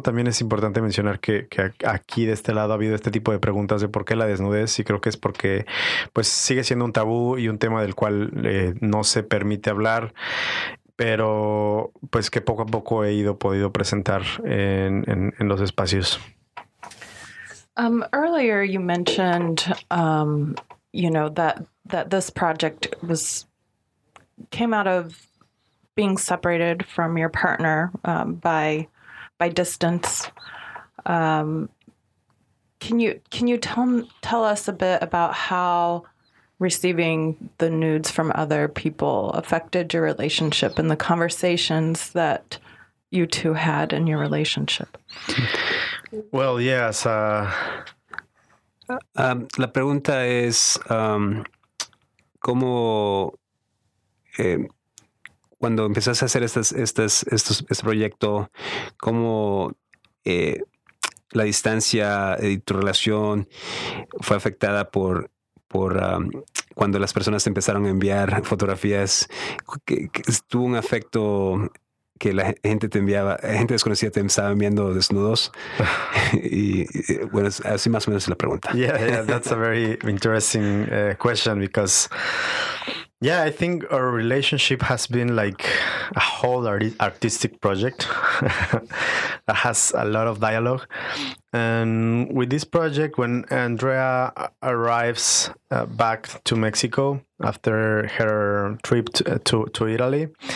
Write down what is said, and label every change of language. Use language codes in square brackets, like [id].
[es] También es importante mencionar que aquí de este lado ha habido este tipo de preguntas de por qué la desnudez, y creo que es porque pues sigue siendo un tabú y un tema del cual no se permite hablar, pero pues que poco a poco he podido presentar en los espacios. [en] Earlier you mentioned you know that this project came out of being separated from your partner by distance. Can you tell us a bit about how receiving the nudes from other people affected your relationship and the conversations that you two had in your relationship? Well, yes. [es] La pregunta es cómo cuando empezaste a hacer este proyecto, cómo la distancia y tu relación fue afectada por cuando las personas empezaron a enviar fotografías, que tuvo un efecto que la gente te enviaba, gente desconocida te estaba enviando desnudos. Y bueno, así más o menos es la pregunta. [en] Yeah, that's a very interesting question, because yeah, I think our relationship has been like a whole artistic project that has a lot of dialogue. And with this project, when Andrea arrives back to Mexico after her trip to Italy,